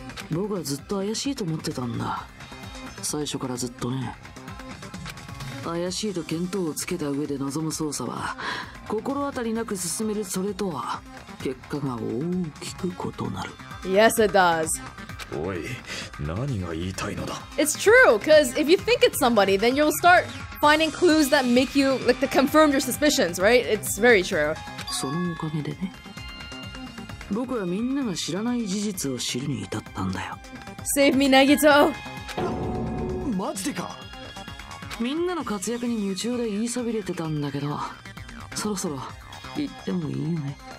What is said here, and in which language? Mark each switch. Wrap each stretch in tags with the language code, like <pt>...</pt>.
<ja>僕はずっと怪しいと思ってたんだ。最初からずっとね。怪しいと見当をつけた上で臨む捜査は、心当たりなく進めるそれとは結果が大きく異なる。</ja> <en>Yes, it does.</en> <ja>おい、何が言いたいのだ。</ja> <en>It's true, because if you think it's somebody, then you'll start finding clues that make you, like, to confirm your suspicions, right? It's very true.</en> <ja>そのおかげでね、僕はみんなが知らない事実を知るに至ったんだよ。</ja> <en>Save me, Nagito!</en> <ja>マジでか。みんなの活躍に夢中で言いそびれてたんだけど、そろそろ行ってもいいよね。</ja>